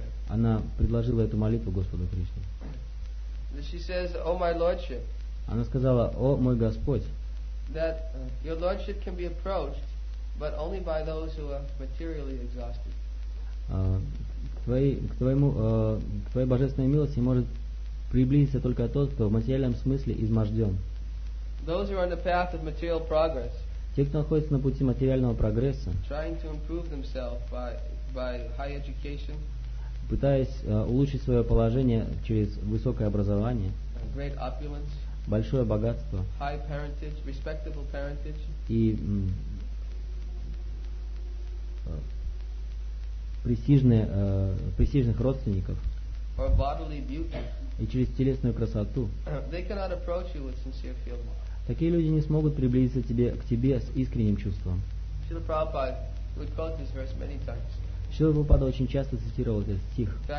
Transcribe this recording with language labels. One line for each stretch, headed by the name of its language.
Russian: Она предложила эту молитву Господу Кришне.
English: She says, "O my lordship."
Russian: Она сказала: "О мой Господь."
English: That your lordship can be approached, but only by those who are materially exhausted.
Russian: К твоей божественной милости может приблизиться только тот, кто в материальном смысле изможден.
English: Those who are on the path of material progress.
Russian: Те, кто находится на пути материального прогресса.
English: Trying to improve themselves by high education,
Russian: пытаясь улучшить свое положение через высокое образование,
English: great opulence,
Russian: большое богатство,
English: high parentage, respectable parentage,
Russian: и престижных родственников,
English: or bodily beauty,
Russian: и через телесную красоту,
English: they cannot approach you with sincere feeling.
Russian: Такие люди не смогут приблизиться к тебе с искренним чувством.
English: Srila Prabhupada would quote this verse many times.
Russian: Шрила Прабхупада очень часто цитировал этот стих.